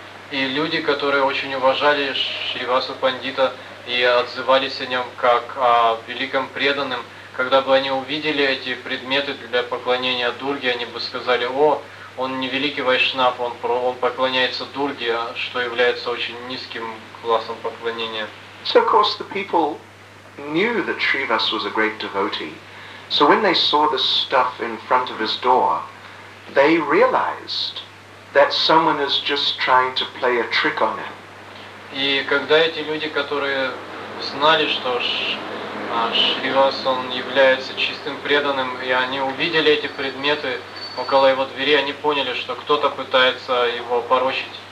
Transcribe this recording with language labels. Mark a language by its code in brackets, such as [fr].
[ru] И люди, которые очень уважали Шривасу Пандита и отзывались о нем как о великом преданном, когда бы они увидели эти предметы для поклонения Дурге, они бы сказали, о, он не великий вайшнав, он поклоняется Дурге, что является очень низким классом поклонения. [en] So, of course, the people knew that Shrivas was a great devotee. So when they saw this stuff in front of his door, they realized that someone is just trying to play a trick on him. [ru] И когда эти люди, которые знали, что Шривас он является чистым преданным, и они увидели эти предметы около его двери, они поняли, что кто-то пытается его порочить.